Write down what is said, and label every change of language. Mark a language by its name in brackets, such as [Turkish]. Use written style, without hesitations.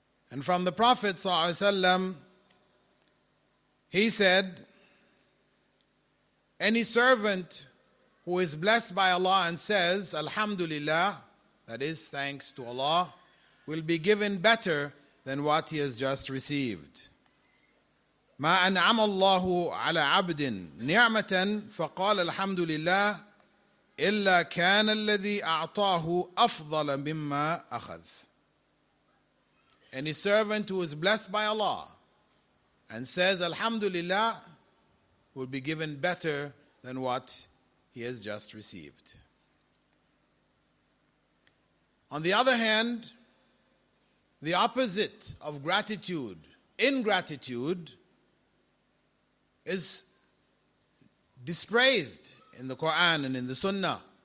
[English] And from the Prophet ﷺ, he said, any servant who is blessed by Allah and says, Alhamdulillah, that is thanks to Allah, will be given better than what he has just received. [Arabic] ما أنعم الله على عبد نعمة فقال الحمد لله إلا كان الذي أعطاه أفضل مما أخذ. [English] Any servant who is blessed by Allah and says Alhamdulillah will be given better than what he has just received. On the other hand, the opposite of gratitude, ingratitude, is dispraised in the Quran and in the Sunnah.